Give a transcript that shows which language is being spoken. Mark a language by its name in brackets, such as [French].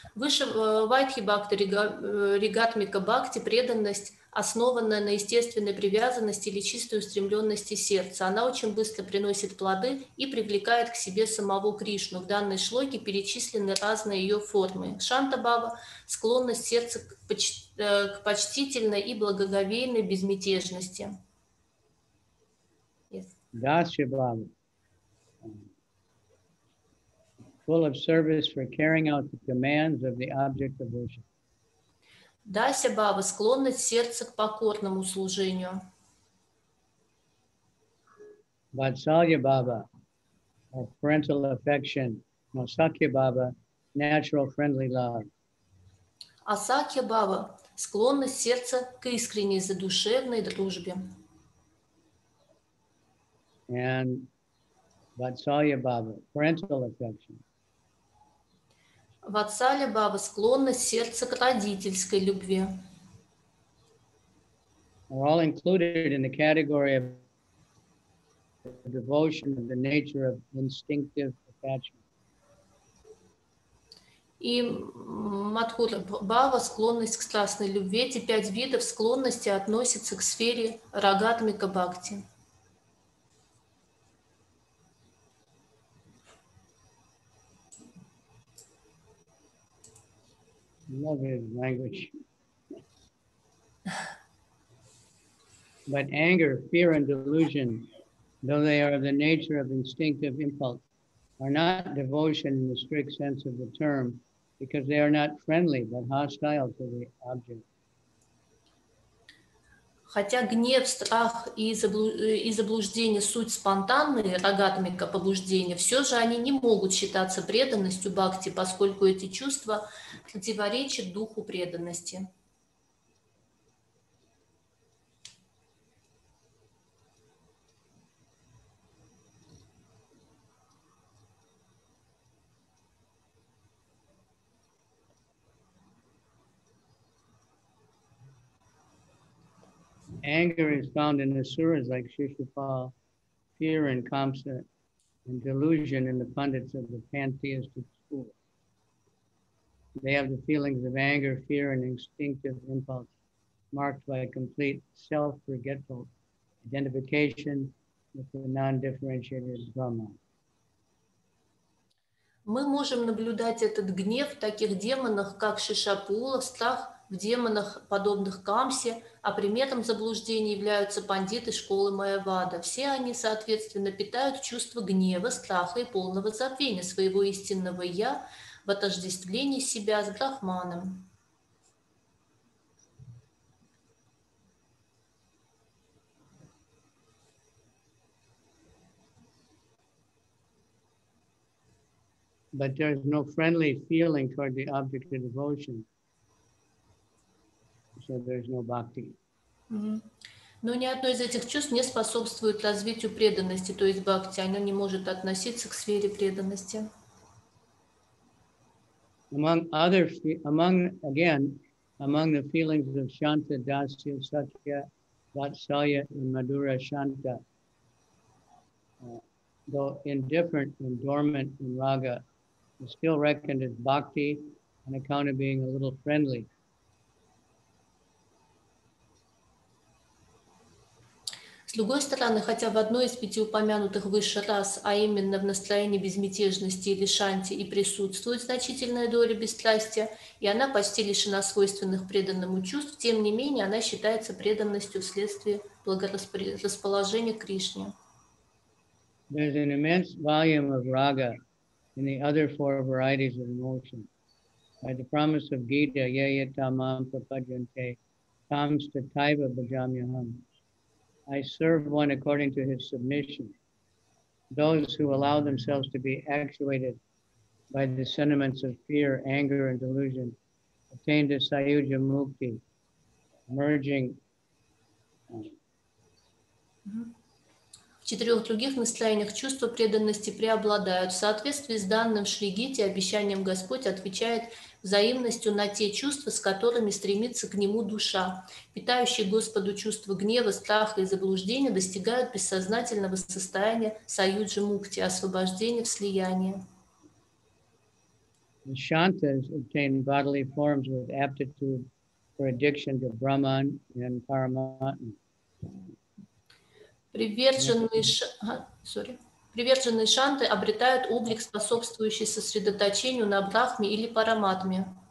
[Russian] Выше Вайдхи Бхакти, Ригатмика Бхакти, преданность, основанная на естественной привязанности или чистой устремленности сердца. Она очень быстро приносит плоды и привлекает к себе самого Кришну. В данной шлоке перечислены разные ее формы. Шанта-бхава – склонность сердца к почтительной и благоговейной безмятежности. [English] Даши-бхава – full of service for carrying out the commands of the object of worship. [Russian] Дася Бхава, склонность сердца к покорному служению. [English] Ватсалья Бхава, parental affection. Асакья Бхава, natural friendly love. [Russian] Асакья Бхава, склонность сердца к искренней задушевной дружбе. [English] And Ватсалья Бхава, parental affection. [Russian] Ватсалья Бхава, склонность сердца к родительской любви. [English] Are all included in the category of devotion of the nature of instinctive attachment. [Russian] И Мадхура Бхава, склонность к страстной любви. Эти пять видов склонности относятся к сфере Рагатмика Бхакти. [English] Love his language. But anger, fear, and delusion, though they are of the nature of instinctive impulse, are not devotion in the strict sense of the term, because they are not friendly, but hostile to the object. [Russian] Хотя гнев, страх и заблуждение – суть спонтанные рагатмика побуждения, все же они не могут считаться преданностью бхакти, поскольку эти чувства противоречит духу преданности. [English] Anger is found in asuras like Shishupal, fear in Kamsa, and delusion in the pundits of the pantheistic school. They have the feelings of anger, fear, and instinctive impulse marked by a complete self-forgetful identification with the non-differentiated Brahma. [Russian] Мы можем наблюдать этот гнев в таких демонах, как Шишапула, страх в демонах, подобных Камсе, а приметом заблуждения являются пандиты школы Майявада. Все они, соответственно, питают чувство гнева, страха и полного забвения своего истинного «я» в отождествлении себя с Брахманом. [English] But there is no friendly feeling toward the object of devotion, so there is no bhakti. [Russian] Но ни одно из этих чувств не способствует развитию преданности, то есть бхакти. Оно не может относиться к сфере преданности. [English] Among the feelings of Shanta, Dasya, Satya, Vatsalya, and Madhura Shanta, though indifferent and dormant in raga, is still reckoned as bhakti on account of being a little friendly. [Russian] С другой стороны, хотя в одной из пяти упомянутых выше раз, а именно в настроении безмятежности или шанти, и присутствует значительная доля бесстрастия, и она почти лишена свойственных преданному чувств, тем не менее она считается преданностью вследствие благорасположения Кришне. [English] There's an immense volume of raga in the other four varieties of emotion. By the promise of Gita, [Sanskrit] yayata mam prapajante, tamsta taiva bhajamyaham. [English] I serve one according to his submission. Those who allow themselves to be actuated by the sentiments of fear, anger, and delusion attain to sayujya mukti, merging. [Russian] В четырех других настроениях чувства преданности преобладают. В соответствии с данным Шри Гите, обещанием Господь отвечает взаимностью на те чувства, с которыми стремится к нему душа. Питающие Господу чувства гнева, страха и заблуждения достигают бессознательного состояния саюджи мукти, освобождения в слиянии. [English] The shantas obtain bodily forms with aptitude for addiction to Brahman and Paramatma. [Russian] Приверженные шанты обретают облик, способствующий сосредоточению на Брахме или Параматме.